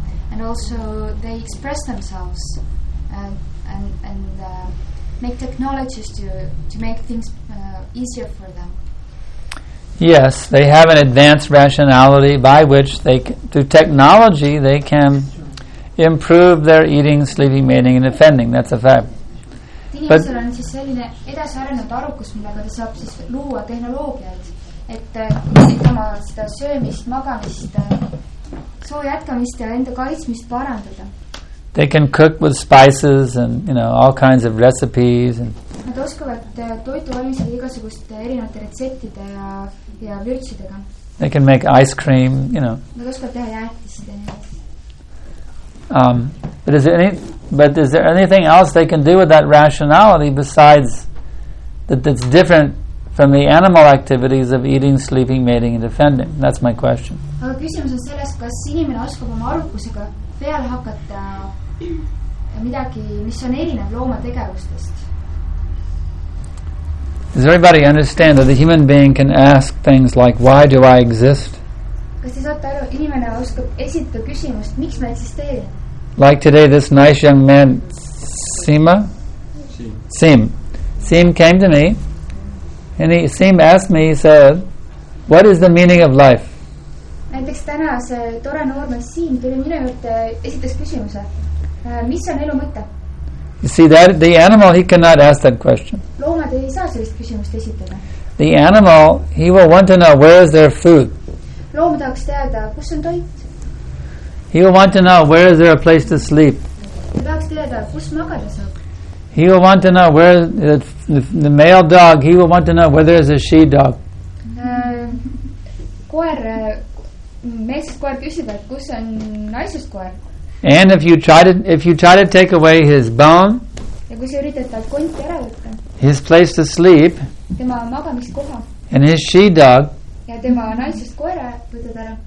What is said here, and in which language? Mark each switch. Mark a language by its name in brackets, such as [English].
[English] And also they express themselves and make technologies to make things easier for them. Yes, they have an advanced rationality by which they through technology they can improve their eating, sleeping, mating and offending. That's a fact. But [Estonian] on siis selline edasarenenud arukus, millega ta saab siis luua tehnoloogiaid, et oma seda söömist, magamist soo jätkamist ja enda kaitsmist parandada. [English] They can cook with spices and, you know, all kinds of recipes. [Estonian] Nad oskavad toitu valmisega igasuguste erinevate retseptide ja vürtsidega. [English] They can make ice cream, you know. [Estonian] Nad oskavad teha jäätist. [English] But is there anything else they can do with that rationality besides that that's different from the animal activities of eating, sleeping, mating and defending? That's my question. [Estonian] Aga küsimus on selles, kas inimene oskab oma arukusega peale hakata midagi, mis on erinev looma tegevustest. [English] Does everybody understand that the human being can ask things like, why do I exist? [Estonian] Kas te saate aru, inimene oskab esita küsimust, miks me eksisteerin? [English] Like today this nice young man, Sima? Sim. Sim came to me and Sim asked me, he said, what is the meaning of life? [Estonian] Näiteks täna see tore noormees siin tuli minu juurde esitas küsimuse. Mis on elu mõte? [English] You see, the animal, he cannot ask that question. [Estonian] Loomad ei saa sellist küsimust esitada. [English] The animal, he will want to know, where is their food? [Estonian] Loom tahaks teada, kus on toit? [English] He will want to know, where is there a place to sleep? [Estonian] Ta tahaks teada, kus magada saab? [English] He will want to know, where the male dog, he will want to know, where there is a she dog. [Estonian] Koer... Meesest koer küsib, et kus on naisest koer. [English] And if you try to take away his bone, [Estonian] ja kui sa üritad tal konti ära võtta, [English] his place to sleep, [Estonian] tema magamiskoha, [English] and his she dog, [Estonian] ja tema naisest koer võtad ära,